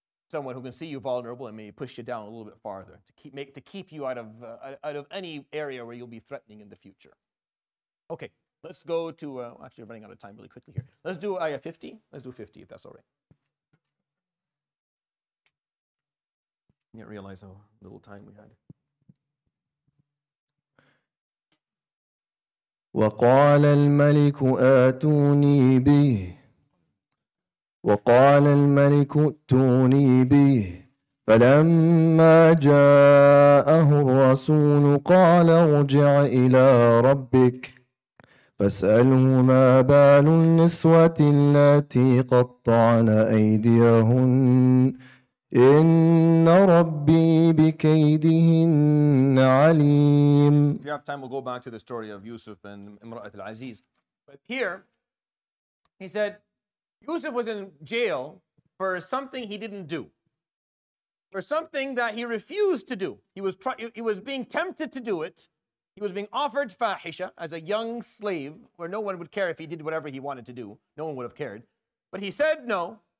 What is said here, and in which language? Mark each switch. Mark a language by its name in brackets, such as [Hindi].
[English] Someone who can see you vulnerable and maybe push you down a little bit farther to keep you out of any area where you'll be threatening in the future. Okay, let's go to, actually running out of time really quickly here. Let's do ayah 50. Let's do 50 if that's all right. I didn't realize how little time we had. [Arabic] وقال الملك آتوني به وقال الملك ائتوني به فلما جاءه الرسول قال ارجع إلى ربك فاسأله ما بال النسوة التي قطعن أيديهن إن ربي بكيدهن عليم. [English] If you have time, we'll go back to the story of Yusuf and امرأة العزيز. But here, he said, Yusuf was in jail for something he didn't do, for something that he refused to do. He was being tempted to do it. He was being offered fahisha as a young slave where no one would care if he did whatever he wanted to do. No one would have cared. But he said no.